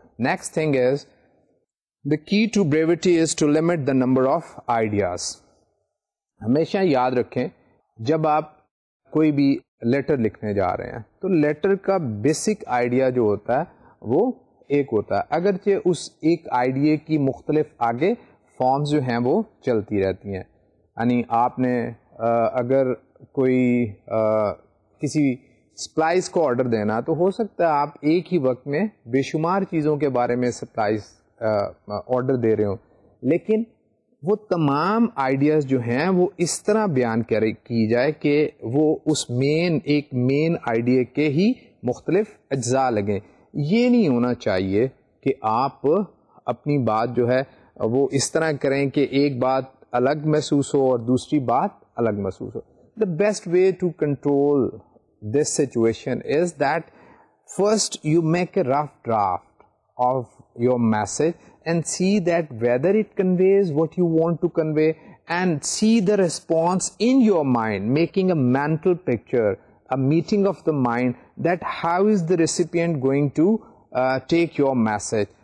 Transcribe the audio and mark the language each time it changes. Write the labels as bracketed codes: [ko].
[en] Next thing is The key to brevity is to limit the number of ideas. [ur] ہمیشہ یاد رکھیں جب آپ کوئی بھی لیٹر لکھنے جا رہے ہیں تو لیٹر کا بیسک آئیڈیا جو ہوتا ہے وہ ایک ہوتا ہے, اگرچہ اس ایک آئیڈیا کی مختلف آگے فارمز جو ہیں وہ چلتی رہتی ہیں. یعنی آپ نے اگر کوئی کسی سپلائز کو آرڈر دینا تو ہو سکتا ہے آپ ایک ہی وقت میں بے شمار چیزوں کے بارے میں سپلائز آرڈر دے رہے ہوں, لیکن وہ تمام آئیڈیاز جو ہیں وہ اس طرح بیان کی جائے کہ وہ اس مین ایک مین آئیڈیا کے ہی مختلف اجزاء لگیں. یہ نہیں ہونا چاہیے کہ آپ اپنی بات جو ہے وہ اس طرح کریں کہ ایک بات الگ محسوس ہو اور دوسری بات الگ محسوس ہو. [en] The best way to control this situation is that first you make a rough draft of your message and see that whether it conveys what you want to convey and see the response in your mind, making a mental picture, a meeting of the mind that how is the recipient going to take your message.